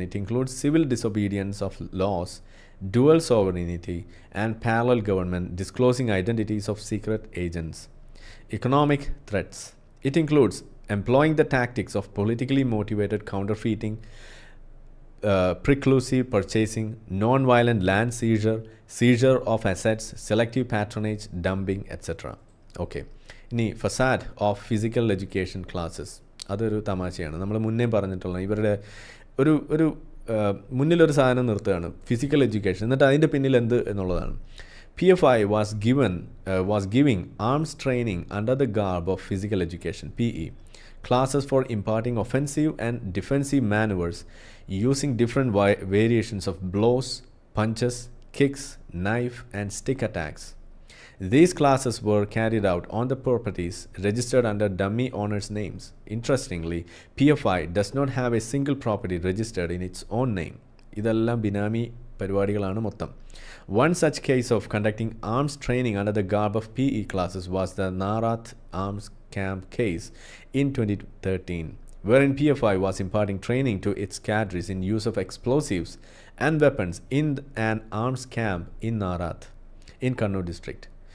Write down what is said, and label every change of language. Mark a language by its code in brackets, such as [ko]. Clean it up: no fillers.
[en] It includes civil disobedience of laws, dual sovereignty and parallel government, disclosing identities of secret agents. Economic threats. It includes employing the tactics of politically motivated counterfeiting, preclusive purchasing, non-violent land seizure, seizure of assets, selective patronage, dumping, etc. Okay. ഇനി facade of physical education classes. [ml] അതൊരു തമാശയാണ്. നമ്മൾ മുന്നേ പറഞ്ഞിട്ടുള്ള ഇവരുടെ ഒരു ഒരു മുന്നിലൊരു സാധനം നിർത്തുകയാണ്, ഫിസിക്കൽ എഡ്യൂക്കേഷൻ, എന്നിട്ട് അതിൻ്റെ പിന്നിൽ എന്ത് എന്നുള്ളതാണ്. [en] PFI was giving arms training under the garb of physical education, PE, classes for imparting offensive and defensive maneuvers using different variations of blows, punches, kicks, knife and stick attacks. These classes were carried out on the properties registered under dummy owners' names. Interestingly, PFI does not have a single property registered in its own name. [ml] ഇതെല്ലാം ബിനാമി പരിപാടികളാണ് മൊത്തം. [en] One such case of conducting arms training under the garb of P E classes was the Narath arms camp case in 2013 wherein P F I was imparting training to its cadres in use of explosives and weapons in and arms camp in Narath in Kannur district.